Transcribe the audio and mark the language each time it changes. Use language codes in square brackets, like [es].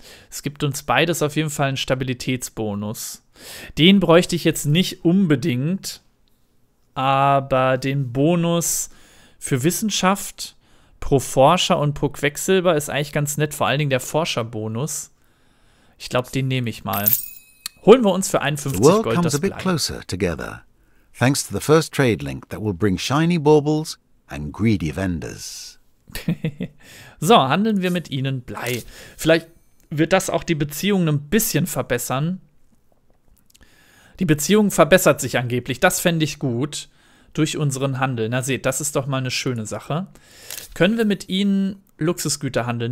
[de] Es gibt uns beides auf jeden Fall einen Stabilitätsbonus. Den bräuchte ich jetzt nicht unbedingt. Aber den Bonus für Wissenschaft pro Forscher und pro Quecksilber ist eigentlich ganz nett. Vor allen Dingen der Forscherbonus. Ich glaube, den nehme ich mal. Holen wir uns für 51 Gold das Blei. [en] The world comes a bit closer together, thanks to the first trade link that will bring shiny baubles and greedy vendors. [de] So, handeln wir mit ihnen Blei. Vielleicht wird das auch die Beziehungen ein bisschen verbessern. Die Beziehung verbessert sich angeblich. Das fände ich gut. Durch unseren Handel. Na seht, das ist doch mal eine schöne Sache. Können wir mit ihnen Luxusgüter handeln?